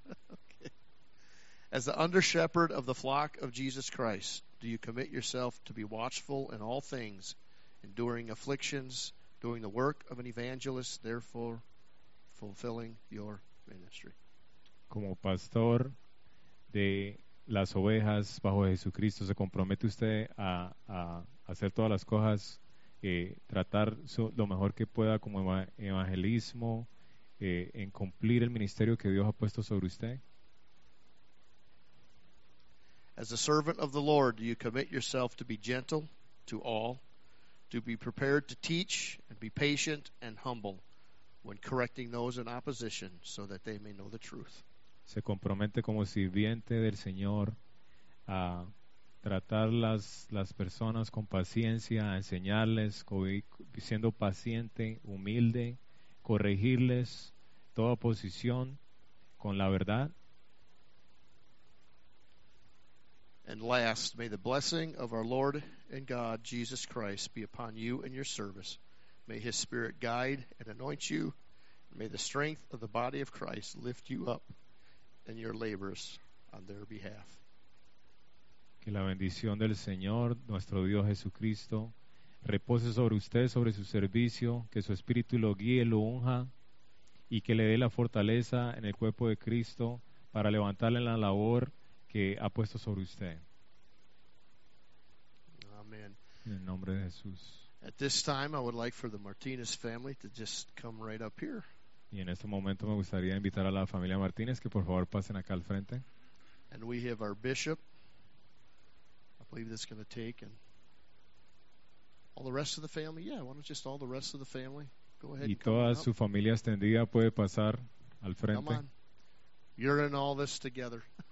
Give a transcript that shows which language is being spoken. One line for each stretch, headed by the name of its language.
English: Okay. As the under shepherd of the flock of Jesus Christ, do you commit yourself to be watchful in all things, enduring afflictions, doing the work of an evangelist, therefore fulfilling your ministry?
Spanish: Como pastor de las ovejas bajo Jesucristo, se compromete usted a hacer todas las cosas. Tratar lo mejor que pueda como evangelismo en cumplir el ministerio que Dios ha puesto sobre usted.
English: As a servant of the Lord, do you commit yourself to be gentle to all, to be prepared to teach and be patient and humble when correcting those in opposition so that they may know the truth?
Spanish: Se compromete como sirviente del Señor a tratar las personas con paciencia, a enseñarles, siendo paciente, humilde, corregirles toda oposición con la verdad.
English: And last, may the blessing of our Lord and God Jesus Christ be upon you and your service. May his spirit guide and anoint you. May the strength of the body of Christ lift you up in your labors on their behalf.
Spanish: Que la bendición del Señor, nuestro Dios Jesucristo, repose sobre usted, sobre su servicio, que su espíritu lo guíe, lo unja, y que le dé la fortaleza en el cuerpo de Cristo para levantarle en la labor que ha puesto sobre usted. Amén. En el nombre de Jesús.
English: At this time, I would like for the Martinez family to just come right up here.
Spanish: Y en este momento me gustaría invitar a la familia Martinez que por favor pasen acá al frente.
English: And we have our bishop. I believe that's going to take and all the rest of the family. Yeah, why don't just all the rest of the family go ahead
Spanish: y
English: and
Spanish: toda
English: come
Spanish: su
English: up.
Spanish: Familia extendida puede pasar al frente.
English: Come on. You're in all this together.